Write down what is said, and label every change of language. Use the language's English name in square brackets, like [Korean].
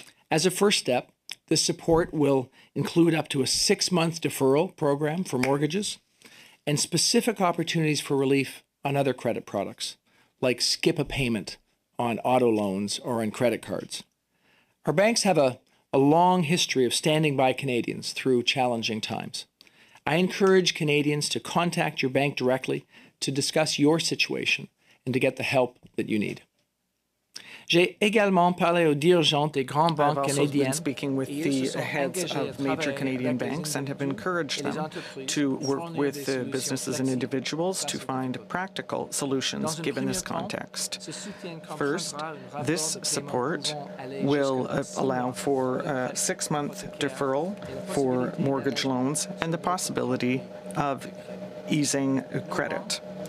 [English] As a first step, this support will include up to a six-month deferral program for mortgages and specific opportunities for relief on other credit products, like skip a payment on auto loans or on credit cards. Our banks have a long history of standing by Canadians through challenging times. I encourage Canadians to contact your bank directly to discuss your situation and to get the help that you need. [French] J'ai également parlé aux dirigeants des grandes banques canadiennes. [English] I've also been speaking with the heads of major Canadian banks and have encouraged them to work with the businesses and individuals to find practical solutions given this context. First, this support will allow for a six-month deferral for mortgage loans and the possibility of easing credit.